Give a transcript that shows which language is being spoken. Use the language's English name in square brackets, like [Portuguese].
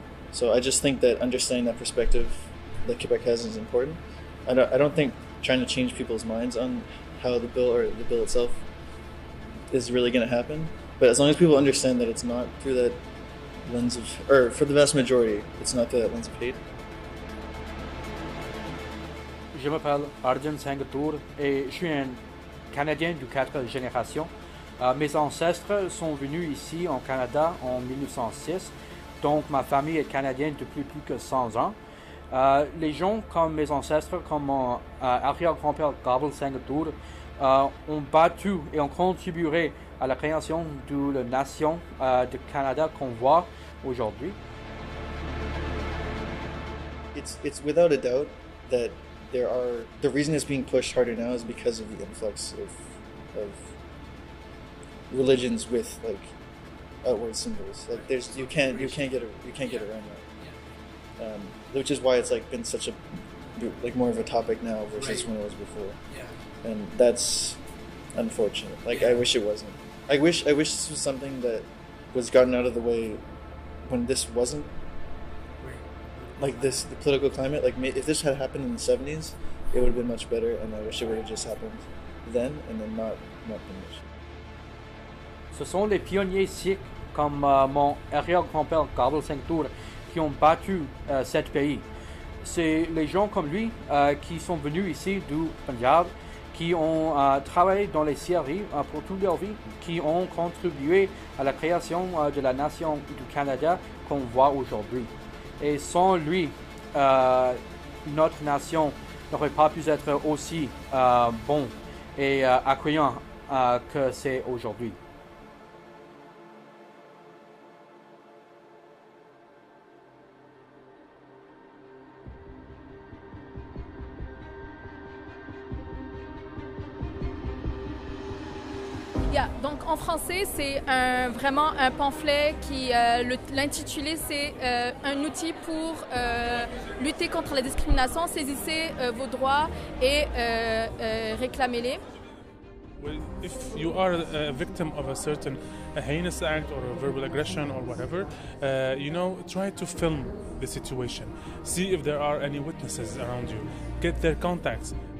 [English] So I just think that understanding that perspective that Quebec has is important. I don't think trying to change people's minds on how the bill or the bill itself is really going to happen. But as long as people understand that it's not through that lens of, or for the vast majority, it's not through that lens of hate. [French] Je m'appelle Arjun Singh Tour et je suis un Canadien de 4 générations. Mes ancêtres sont venus ici en Canada en 1906, donc ma famille est canadienne depuis plus que 100 ans. Les gens comme mes ancêtres, comme mon arrière-grand-père Gabriel Singh Tour, ont battu et ont contribué à la création de la nation du Canada qu'on voit aujourd'hui. [English] It's without a doubt that there are, the reason it's being pushed harder now is because of the influx of religions with like outward symbols. Like there's, you can't get around that. Which is why it's like been such a, like more of a topic now versus right. when it was before. Yeah. And that's unfortunate. Like yeah. I wish it wasn't. I wish this was something that was gotten out of the way when this wasn't. Like this, the political climate, like if this had happened in the 70s, it would have been much better, and I wish it would have just happened then, and then not the mission. [French] Ce sont les pionniers sikhs, comme mon arrière-grand-père Gabriel Singh Tour, qui ont battu cet pays. C'est les gens comme lui qui sont venus ici du Punjab, qui ont travaillé dans les scieries pour toute leur vie, qui ont contribué à la création de la nation du Canada qu'on voit aujourd'hui. Et sans lui, notre nation n'aurait pas pu être aussi bon et accueillant que c'est aujourd'hui. Yeah, donc en français, c'est vraiment un pamphlet qui l'intitulé c'est un outil pour lutter contre la discrimination. Saisissez vos droits et réclamez-les. [English] Well, if you are a victim of a certain a heinous act or a verbal aggression or whatever, you know, try to film the situation. See if there are any witnesses around you. Get their contacts.